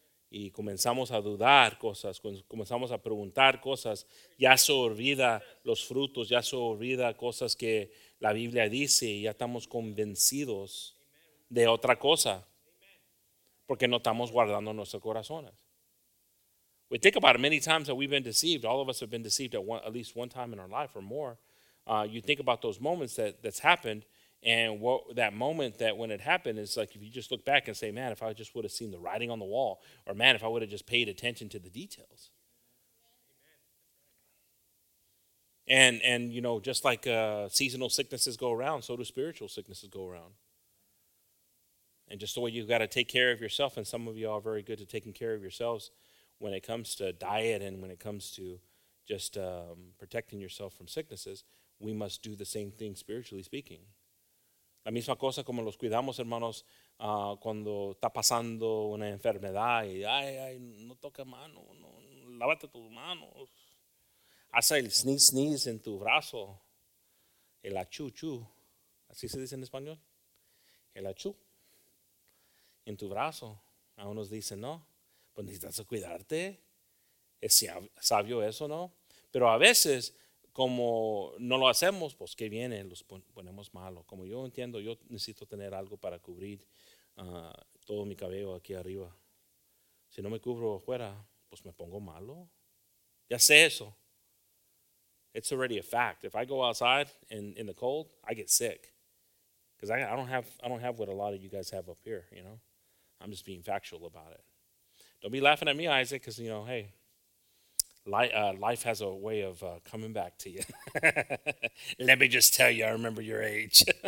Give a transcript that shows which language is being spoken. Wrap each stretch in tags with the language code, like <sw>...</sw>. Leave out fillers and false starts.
<es>Y comenzamos a dudar cosas, comenzamos a preguntar cosas. Ya se olvida los frutos, ya se olvida cosas que la Biblia dice. Y ya estamos convencidos de otra cosa, porque no estamos guardando nuestros corazones.</es> <en>We think about it, many times that we've been deceived. All of us have been deceived at least one time in our life or more. You think about those moments that's happened. And what that moment that when it happened is like, if you just look back and say, man, if I just would have seen the writing on the wall, or man, if I would have just paid attention to the details. And you know, just like seasonal sicknesses go around, so do spiritual sicknesses go around. And just the way you've got to take care of yourself, and some of you are very good at taking care of yourselves when it comes to diet and when it comes to just protecting yourself from sicknesses, we must do the same thing spiritually speaking.</en> <es>La misma cosa como los cuidamos, hermanos, cuando está pasando una enfermedad y, ay, no toca mano, no, lávate tus manos. Haz el sneeze en tu brazo, el achu-chu, ¿así se dice en español? El achu, en tu brazo. A unos dicen, no, pues necesitas cuidarte, es sabio eso, ¿no? Pero a veces, como no lo hacemos, pues que viene, los ponemos malos. Como yo entiendo, yo necesito tener algo para cubrir todo mi cabello aquí arriba. Si no me cubro afuera, pues me pongo malo. Ya sé eso.</es> <en>It's already a fact. If I go outside in the cold, I get sick. Because I don't have what a lot of you guys have up here, you know. I'm just being factual about it. Don't be laughing at me, Isaac, because, you know, hey. Life has a way of coming back to you. Let me just tell you, I remember your age.</en>